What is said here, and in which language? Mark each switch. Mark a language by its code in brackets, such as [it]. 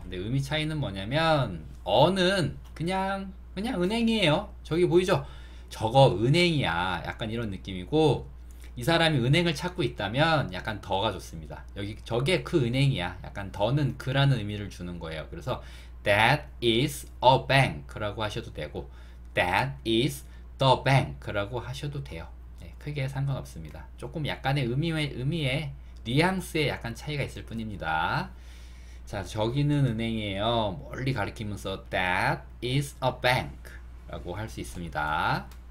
[ko] 근데 의미 차이는 뭐냐면 어는 그냥 은행이에요. 저기 보이죠? 저거 은행이야. 약간 이런 느낌이고 이 사람이 은행을 찾고 있다면 약간 더가 좋습니다. 여기 저게 그 은행이야. 약간 더는 그라는 의미를 주는 거예요. 그래서 [en] that is a bank [ko] 라고 하셔도 되고 [en] that is The bank [ko] 라고 하셔도 돼요. 네, 크게 상관없습니다. 조금 약간의 의미의 뉘앙스에 약간 차이가 있을 뿐입니다. 자, 저기는 은행이에요. 멀리 가리키면서 [en] That is a bank [ko] 라고 할 수 있습니다.